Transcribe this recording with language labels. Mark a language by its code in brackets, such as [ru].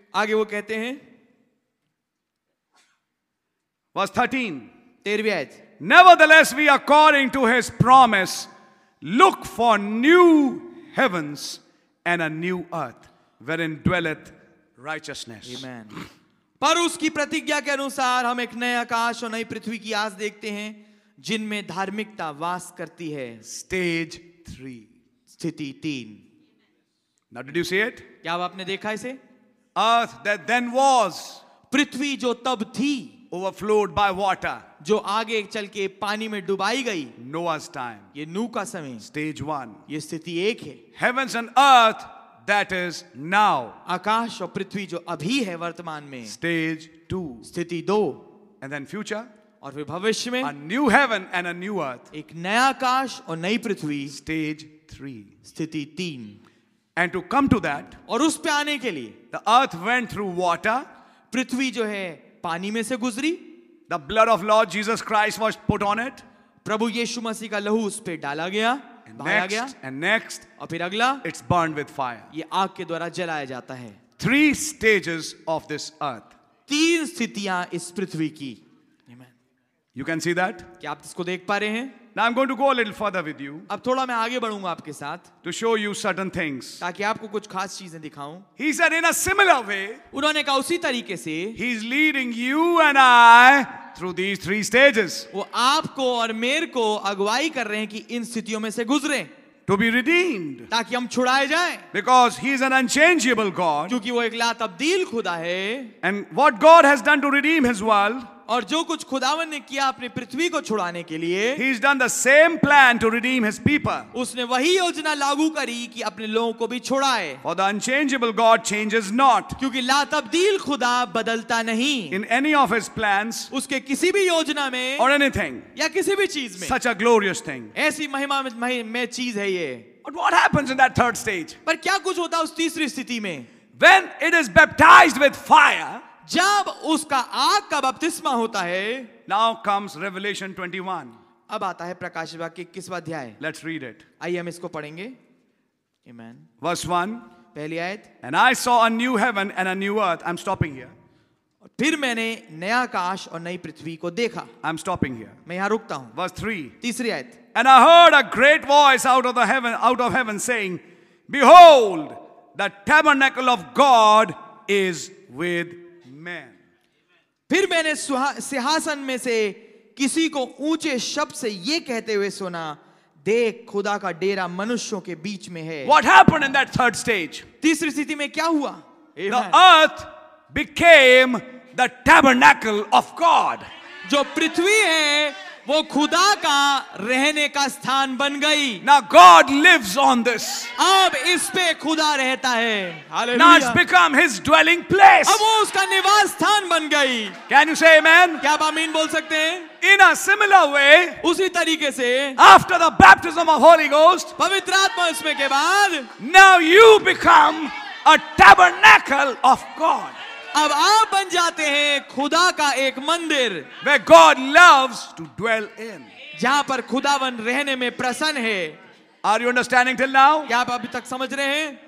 [hi] aage wo kehte hain [en] Verse 13. Tervyaj. Nevertheless, we according to his promise look for new heavens and a new earth wherein dwelleth righteousness. Amen. [hi] पर उसकी प्रतिज्ञा के अनुसार हम एक नए आकाश और नई पृथ्वी की आस देखते हैं जिनमें धार्मिकता वास करती है [en] Stage 3. [hi] स्थिति 3. [en] Now did you see it? [hi] क्या आपने देखा इसे [en] Earth that then was. [hi] पृथ्वी जो तब थी [en] Overflowed by water, [hi] जो आगे चल के पानी में डुबाई गई [en] Noah's time, [hi] ये नूह का समय [en] Stage 1, [hi] ये स्थिति एक है [en] Heavens and earth, that is now, [hi] आकाश और पृथ्वी जो अभी है वर्तमान में [en] Stage 2, [hi] स्थिति दो [en] And then future, [hi] और फिर भविष्य में [en] A new heaven and a new earth, [hi] एक नया आकाश और नई पृथ्वी [en] Stage 3, [hi] स्थिति तीन [en] And to come to that, [hi] और उस पे आने के लिए [en] The earth went through water, [hi] पृथ्वी जो है पानी में से गुजरी [en] the blood of Lord Jesus Christ was put on it [hi] प्रभु यीशु मसीह का लहू उस पे डाला गया बहाया गया [en] and next [hi] और फिर अगला [en] it's burned with fire [hi] ये आग के द्वारा जलाया जाता है [en] three stages of this earth [hi] तीन स्थितियां इस पृथ्वी की आमेन [en] you can see that [hi] क्या आप इसको देख पा रहे हैं [en] Now I'm going to go a little further with you. [hi] अब थोड़ा मैं आगे बढ़ूंगा आपके साथ. [en] To show you certain things. [hi] ताकि आपको कुछ खास चीजें दिखाऊं. [en] He said in a similar way. [hi] उन्होंने कहा उसी तरीके से. [en] He's leading you and I through these three stages. [hi] वो आपको और मेरे को अगुवाई कर रहे हैं कि इन स्थितियों में से गुजरें. [en] To be redeemed. [hi] ताकि हम छुड़ाए जाएं. [en] Because he is an unchangeable God. [hi] क्योंकि वो एक लातब्दील खुदा है. [en] And what God has done to redeem His world. [hi] और जो कुछ खुदावन ने किया अपनी पृथ्वी को छुड़ाने के लिए [en] He has done the same plan to redeem his people. [hi] उसने वही योजना लागू करी कि अपने लोगों को भी छुड़ाए [en] For the unchangeable God changes not. [hi] क्योंकि लातब्दील खुदा बदलता नहीं [en] In any of his plans, [hi] उसके किसी भी योजना में [en] or anything, [hi] या किसी भी चीज में [en] such a glorious thing. [hi] ऐसी महिमा में चीज है ये [en] But what happens in that third stage? [hi] पर क्या कुछ होता है उस तीसरी स्थिति में [en] When it is baptized with fire, [hi] जब उसका आग का बपतिस्मा होता है [en] Now comes Revelation 21. [hi] अब आता है प्रकाश वाक्य किस अध्याय [en] Let's read it. [hi] आइए हम इसको पढ़ेंगे Amen. [en] Verse 1. [hi] पहली आयत [en] And I saw a new heaven and a new earth. I'm stopping here. [hi] फिर मैंने नया आकाश और नई पृथ्वी को देखा [en] I'm stopping here. [hi] मैं यहां रुकता हूं [en] Verse 3. [hi] तीसरी आयत [en] And I heard a great voice out of heaven saying, Behold, the tabernacle of God is with [hi] फिर मैंने सिंहासन में से किसी को ऊंचे शब्द से यह कहते हुए सुना देख खुदा का डेरा मनुष्यों के बीच में है [en] What happened in that third stage? [hi] तीसरी स्थिति में क्या हुआ [en] The earth became the tabernacle of God. [hi] जो पृथ्वी है वो खुदा का रहने का स्थान बन गई [en] Now God lives on this. [hi] अब इस पे खुदा रहता है [en] Now it's become his dwelling place. [hi] अब वो उसका निवास स्थान बन गई [en] Can you say amen? [hi] क्या आप आमीन बोल सकते हैं [en] In a similar way, [hi] उसी तरीके से [en] After the baptism of Holy Ghost, [hi] पवित्र आत्मा इसमें के बाद [en] Now you become a tabernacle of God. [hi] अब आप बन जाते हैं खुदा का एक मंदिर [en] Where God loves to dwell in. [hi] जहां पर खुदावन रहने में प्रसन्न है [en] Are you understanding till now? [hi] क्या आप अभी तक समझ रहे हैं